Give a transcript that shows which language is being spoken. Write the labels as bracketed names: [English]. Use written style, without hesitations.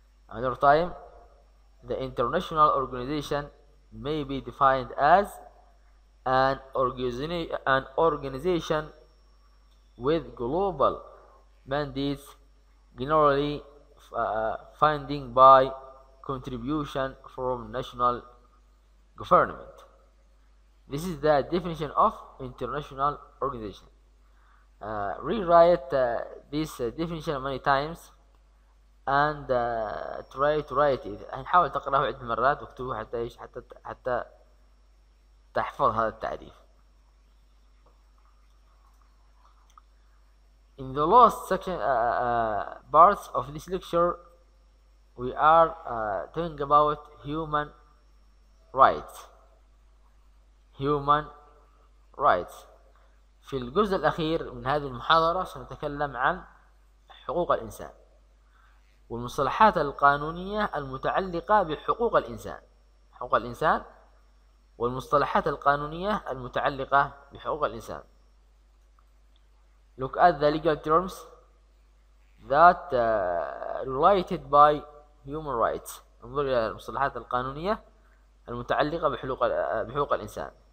[English] Another time, the international organization may be defined as an organization with global mandates, generally funding by contribution from national government. This is the definition of international organization. Rewrite this definition many times and try to write it. [Arabic] هنحاول تقرأه عدة مرات واكتبه حتى إيش, حتى تحفظ هذا التعريف. [English] In the last section parts of this lecture, we are talking about human rights. Human rights. [Arabic] في الجزء الأخير من هذه المحاضرة سنتكلم عن حقوق الإنسان والمصطلحات القانونية المتعلقة بحقوق الإنسان, حقوق الإنسان والمصطلحات القانونية المتعلقة بحقوق الإنسان. [English] Look at the legal terms that related by human rights. [Arabic] انظر إلى المصطلحات القانونية المتعلقة بحقوق الإنسان.